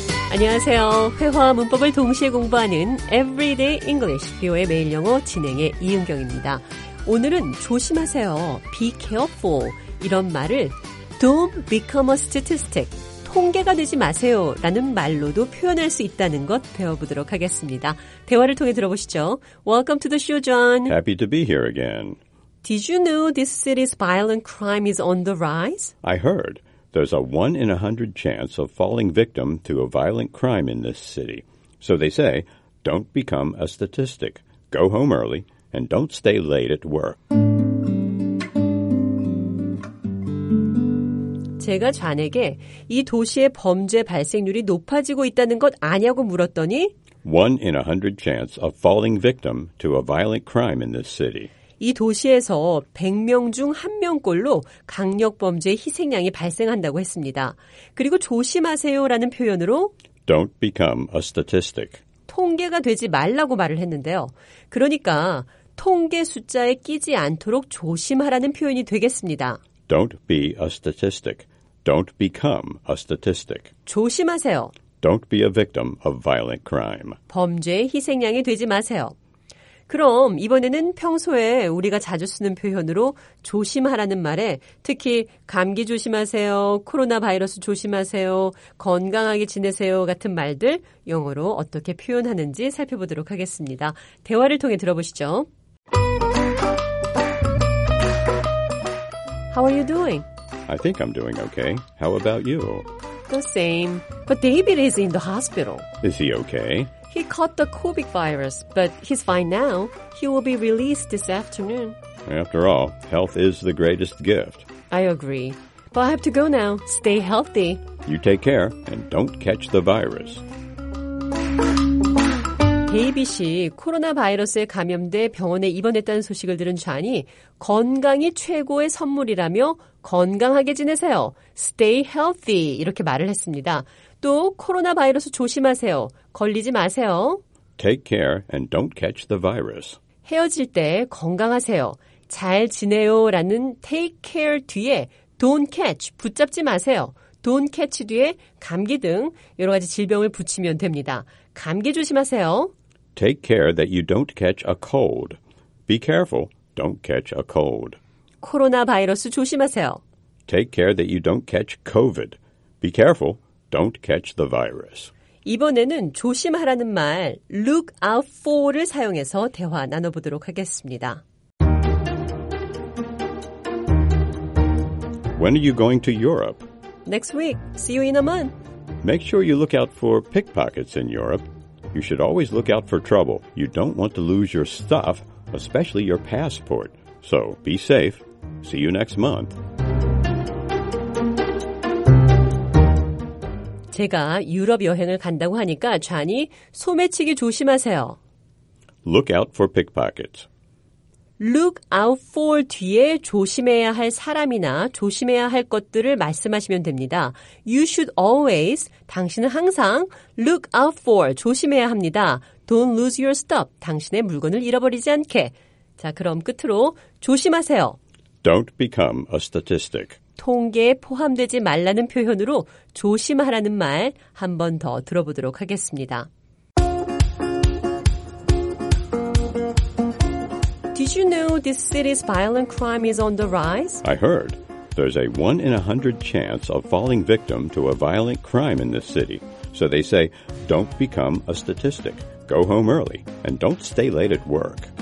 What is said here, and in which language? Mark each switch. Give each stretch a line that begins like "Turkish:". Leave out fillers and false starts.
Korean: 안녕하세요. 회화 문법을 동시에 공부하는 Everyday English, VOA 매일 영어 진행의 이은경입니다. 오늘은 조심하세요.
English: Be careful.
Korean: 이런 말을
English: Don't become a statistic.
Korean: 통계가 되지 마세요. 라는 말로도 표현할 수 있다는 것 배워보도록 하겠습니다. 대화를 통해 들어보시죠.
English: Welcome to the show, John. Happy to be here again. Did you know this city's violent crime is on the rise? I heard. There's a 1 in 100 chance of falling victim to a violent crime in this city. So they say, don't become a statistic. Go home early. And don't stay late at work.
Korean: 제가 잔에게 이 도시의 범죄 발생률이 높아지고 있다는 것 아냐고 물었더니
English: 1 in 100 chance of falling victim to a violent crime in this city.
Korean: 이 도시에서 100명 중 1명꼴로 강력 범죄의 희생양이 발생한다고 했습니다. 그리고 조심하세요라는 표현으로
English: Don't become a statistic.
Korean: 통계가 되지 말라고 말을 했는데요. 그러니까 통계 숫자에 끼지 않도록 조심하라는 표현이 되겠습니다.
English: Don't be a statistic. Don't become a statistic.
Korean: 조심하세요.
English: Don't be a victim of violent crime.
Korean: 범죄의 희생양이 되지 마세요. 그럼 이번에는 평소에 우리가 자주 쓰는 표현으로 조심하라는 말에 특히 감기 조심하세요, 코로나 바이러스 조심하세요, 건강하게 지내세요 같은 말들 영어로 어떻게 표현하는지 살펴보도록 하겠습니다. 대화를 통해 들어보시죠.
English: How are you doing? I think I'm doing okay. How about you? The same. But David is in the hospital. Is he okay? He caught the COVID virus, but he's fine now. He will be released this afternoon. After all, health is the greatest gift. I agree. But I have to go now. Stay healthy. You take care and don't catch the virus.
Korean: 데이비 씨, 코로나 바이러스에 감염돼 병원에 입원했다는 소식을 들은 존이 건강이 최고의 선물이라며 건강하게 지내세요.
English: Stay healthy.
Korean: 이렇게 말을 했습니다. 또 코로나 바이러스 조심하세요. 걸리지 마세요.
English: Take care and don't catch the virus.
Korean: 헤어질 때 건강하세요. 잘 지내요 라는 take care 뒤에
English: don't catch,
Korean: 붙잡지 마세요. Don't catch 뒤에 감기 등 여러 가지 질병을 붙이면 됩니다. 감기 조심하세요.
English: Take care that you don't catch a cold. Be careful, don't catch a cold.
Korean: 코로나 바이러스 조심하세요.
English: Take care that you don't catch COVID. Be careful, don't catch the virus.
Korean: 이번에는 조심하라는 말, look out for를 사용해서 대화 나눠보도록 하겠습니다.
English: When are you going to Europe? Next week. See you in a month. Make sure you look out for pickpockets in Europe. You should always look out for trouble. You don't want to lose your stuff, especially your passport. So, be safe. See you next month.
Korean: 제가 유럽 여행을 간다고 하니까 존이 소매치기 조심하세요.
English: Look out for pickpockets.
Korean: Look out for 뒤에 조심해야 할 사람이나 조심해야 할 것들을 말씀하시면 됩니다.
English: You should always,
Korean: 당신은 항상
English: look out for,
Korean: 조심해야 합니다.
English: Don't lose your stuff,
Korean: 당신의 물건을 잃어버리지 않게. 자, 그럼 끝으로 조심하세요.
English: Don't become a statistic.
Korean: 통계에 포함되지 말라는 표현으로 조심하라는 말 한 번 더 들어보도록 하겠습니다.
English: Did you know this city's violent crime is on the rise? I heard. There's a 1 in 100 chance of falling victim to a violent crime in this city. So they say, don't become a statistic. Go home early and don't stay late at work.